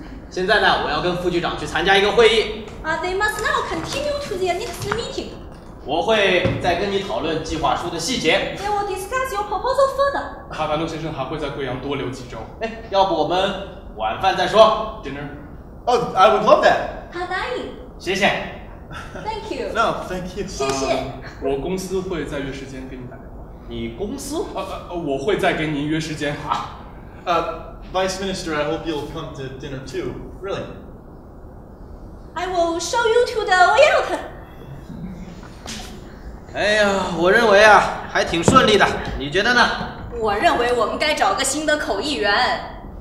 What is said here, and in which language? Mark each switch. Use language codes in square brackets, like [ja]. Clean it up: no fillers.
[zh] 现在呢，我要跟副局长去参加一个会议。 [en] They must now continue to their next meeting. [zh] 我会再跟你讨论计划书的细节。 [en] They will discuss your proposal further. [zh] 卡凡诺先生还会在贵阳多留几周。哎，要不我们晚饭再说 [en] ？Dinner. Oh, I would love that. [zh] 他答应。谢谢。 [en] Thank you. No, thank you. [zh] 谢谢。我公司会再约时间给你打电话。你公司？我会再跟您约时间。 [en] 啊。Vice Minister, I hope you'll come to dinner too. Really. I will show you to the way out. [zh] 哎呀，我认为啊，还挺顺利的。你觉得呢？我认为我们该找个新的口译员。